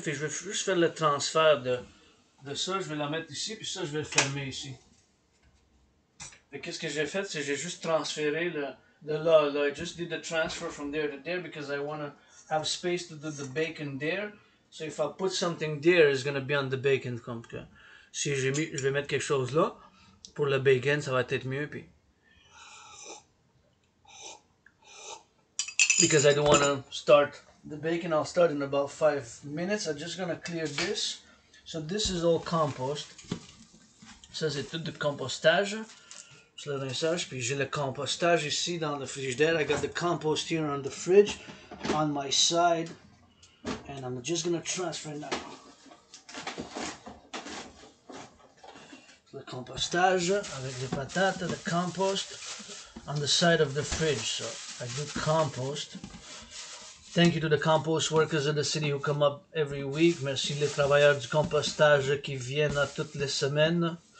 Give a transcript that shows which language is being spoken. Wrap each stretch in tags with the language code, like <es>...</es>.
<fr>Fait, je vais juste faire le transfert de ça, je vais la mettre ici, puis ça, je vais le fermer ici. Et qu'est-ce que j'ai fait? C'est que j'ai juste transféré le là, là.</fr> <en>I just did the transfer from there to there because I want to have space to do the bacon there. So if I put something there, it's going to be on the bacon.</en> <fr>Comme que si j'ai mis, je vais mettre quelque chose là pour le bacon, ça va être mieux. Puis.</fr> <en>Because I don't want to start the bacon, I'll start in about 5 minutes. I'm just gonna clear this. So this is all compost.</en> <fr>Ça c'est tout du compostage. C'est le rinçage. Puis j'ai le compostage ici dans le frigidaire.</fr> <en>I got the compost here on the fridge, on my side, and I'm just gonna transfer now.</en> <fr>Le compostage avec les patates,</fr> <en>the compost on the side of the fridge. So. I do compost. Thank you to the compost workers in the city who come up every week.</en> <fr>Merci les travailleurs du compostage qui viennent à toutes les semaines.</fr>